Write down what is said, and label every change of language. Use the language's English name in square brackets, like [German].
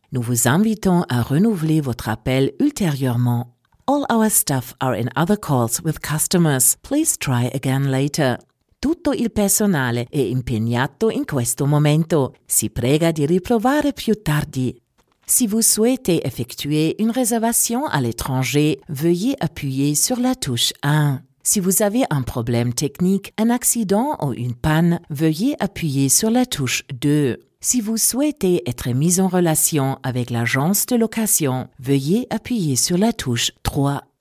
[French] Nous vous invitons à renouveler votre appel ultérieurement. [English] All our staff are in other calls with customers. Please try again later. [Italian] Tutto il personale è impegnato in questo momento. Si prega di riprovare più tardi. [French] Si vous souhaitez effectuer une réservation à l'étranger, veuillez appuyer sur la touche 1. Si vous avez un problème technique, un accident ou une panne, veuillez appuyer sur la touche 2. Si vous souhaitez être mis en relation avec l'agence de location, veuillez appuyer sur la touche 3.